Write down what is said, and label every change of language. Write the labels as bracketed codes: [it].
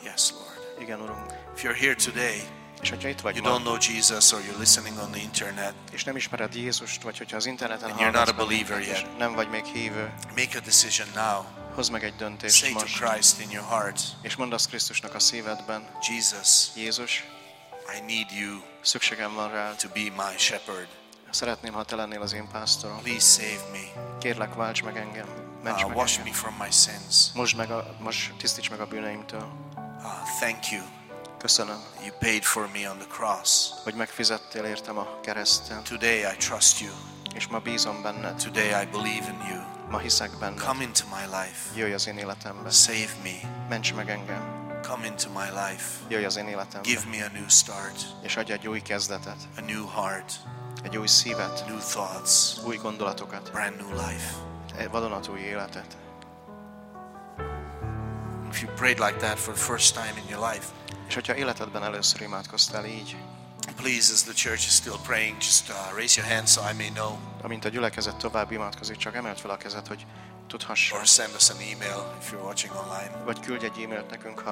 [en] Yes, Lord. [hu] Igen, Urunk. [en] If you're here today, [hu] és hogyha itt vagy [en] you [hu] ma, [en] don't know Jesus or you're listening on the internet. [hu] És nem ismered Jézust, vagy hogyha az interneten hallgatsz. [en] You're not a believer yet. [hu] Nem vagy még hívő. [en] Make a decision now. [hu] Hozd meg egy döntést [en] say [hu] most. [en] To Christ in your heart. [hu] És mondd azt Krisztusnak a szívedben. [en] Jesus. [hu] Jézus. [en] I need you. [hu] Szükségem van rá. [en] To be my shepherd. [hu] Szeretném, ha te lennél az én pásztorom. [en] Please save me. [hu] Kérlek, válts meg engem. Ments meg [en] wash [hu] engem. [en] Me from my sins. [hu] Tisztíts meg a bűneimtől. [en] Thank you. [hu] Köszönöm. [en] You paid for me on the cross. [hu] Hogy megfizettél értem a kereszten. [en] Today I trust you. [hu] És ma bízom benned. [en] Today I believe in you. [hu] Ma hiszek benned. [en] Come into my life. [hu] Jöjj az én életembe. [en] Save me. [hu] Ments meg engem. [en] Come into my life. [hu] Jöjj az én életembe. [en] Give me a new start. [hu] És adj egy új kezdetet. [en] A new heart. [hu] Egy új szívet. [en] New thoughts. [hu] Új gondolatokat. [en] Brand new life. [hu] Egy vadonatúj életet. [en] If you prayed like that for the first time in your life, [hu] és hogyha életedben először imádkoztál így, [en] please, as the church is still praying, just raise your hand so I may know. [hu] Amint a gyülekezet tovább imádkozik, csak emeld fel a kezed, hogy tudhass. [en] Or send us an email if you're watching online. [hu] Vagy küldj egy e-mailt nekünk, ha.